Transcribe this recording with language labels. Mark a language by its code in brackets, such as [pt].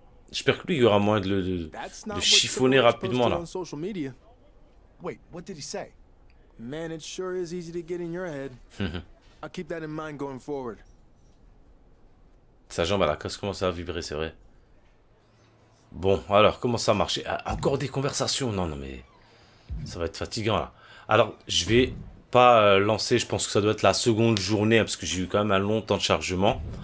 [fr] J'espère que lui il y aura moyen de le chiffonner rapidement là. [en] Wait, what did he say? Man, it sure is easy to get in your head. I'll keep that in mind going forward. [fr] Sa jambe à la casse commence à vibrer, c'est vrai. Bon, alors, comment ça marche? Encore des conversations? Non, non, mais... Ça va être fatigant, là. Alors, je vais pas lancer, je pense que ça doit être la seconde journée, hein, parce que j'ai eu quand même un long temps de chargement.